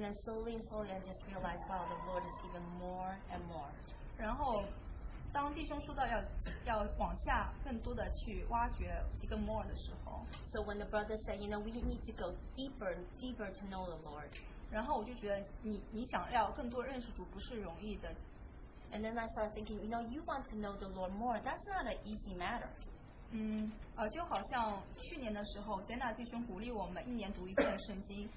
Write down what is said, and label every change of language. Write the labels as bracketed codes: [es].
[en] then slowly, slowly, I just realized, wow, the Lord is even more and more. [zh] 然后，当弟兄说到要往下更多的去挖掘一个 [en] more [zh] 的时候， [en] So when the brother said, you know, we need to go deeper, deeper to know the Lord. [zh] 然后我就觉得你想要更多认识主不是容易的。 [en] And then I started thinking, you know, you want to know the Lord more. That's not an easy matter. [zh] 就好像去年的时候 Dana 弟兄鼓励我们一年读一遍圣经。